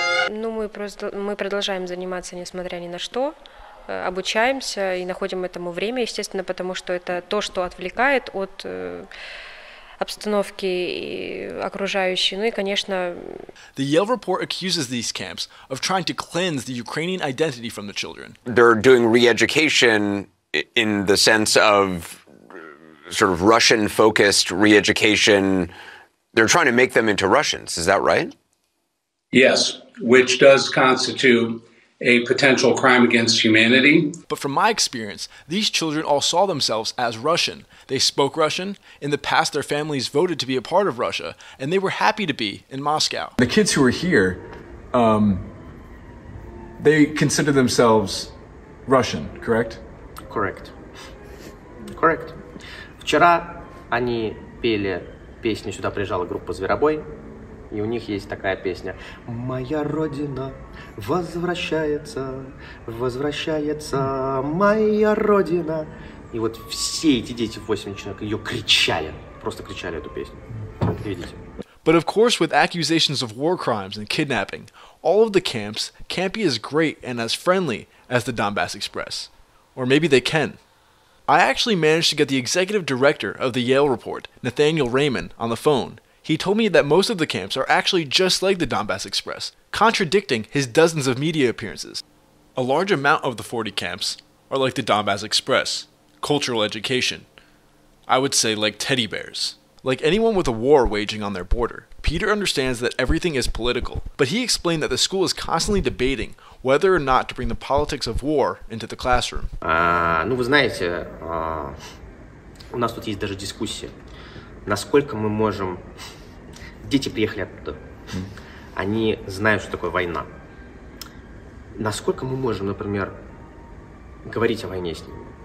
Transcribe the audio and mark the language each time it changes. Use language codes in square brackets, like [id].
[ru] Ну, мы продолжаем заниматься, несмотря ни на что. Обучаемся и находим этому время, естественно, потому что это то, что отвлекает от обстановки и окружающей, ну и, конечно... [en] The Yale report accuses these camps of trying to cleanse the Ukrainian identity from the children. They're doing re-education in the sense of sort of Russian-focused re-education. They're trying to make them into Russians, is that right? Yes, which does constitute a potential crime against humanity. But from my experience, these children all saw themselves as Russian. They spoke Russian. In the past, their families voted to be a part of Russia, and they were happy to be in Moscow. The kids who are here, they consider themselves Russian, correct? Correct. Correct. [ru] Вчера они пели песню, сюда приезжала группа «Зверобой». И у них есть такая песня. Моя родина возвращается, возвращается, моя родина. И вот все эти дети, 8 человек, ее кричали. Просто кричали эту песню. Видите? [en] But of course, with accusations of war crimes and kidnapping, all of the camps can't be as great and as friendly as the Donbass Express. Or maybe they can. I actually managed to get the executive director of the Yale Report, Nathaniel Raymond, on the phone. He told me that most of the camps are actually just like the Donbass Express, contradicting his dozens of media appearances. A large amount of the 40 camps are like the Donbass Express, cultural education. I would say like teddy bears. Like anyone with a war waging on their border, Peter understands that everything is political, but he explained that the school is constantly debating whether or not to bring the politics of war into the classroom. [ru] Ну вы знаете, у нас тут есть даже дискуссия. Насколько мы можем... Дети приехали оттуда. Они знают, что такое война. Насколько мы можем, например, говорить о войне с ними?